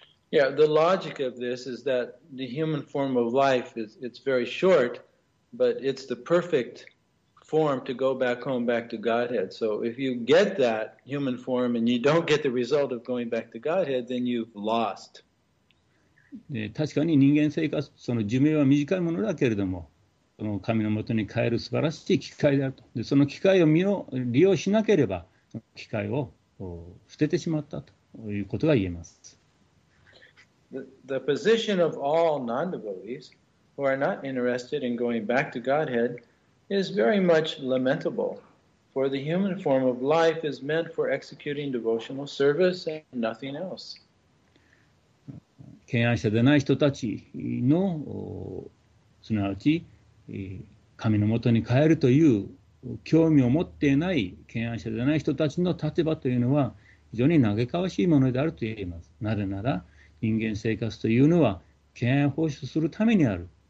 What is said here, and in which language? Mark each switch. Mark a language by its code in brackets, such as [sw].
[en] Yeah, the logic of this is that the human form of life is it's very short. But it's the perfect form to go back home, back to Godhead. So if you get that human form and you don't get the result of going back to Godhead, then you've lost. [ja] 確かに人間生活、その寿命は短いものだけれども、その神のもとに帰る素晴らしい機会であると。で、その機会を利用しなければ、その機会を捨ててしまったということが言えます。 [en] The position of all non-devotees. Who are not interested in going back to Godhead is very much lamentable. For the human form of life is meant for executing devotional service and nothing else. [ja] 敬愛者でない人たちの、すなわち、神のもとに帰るという興味を持っていない敬愛者でない人たちの立場というのは非常に嘆かわしいものであると言えます。なぜなら人間生活というのは敬愛を奉仕するためにある。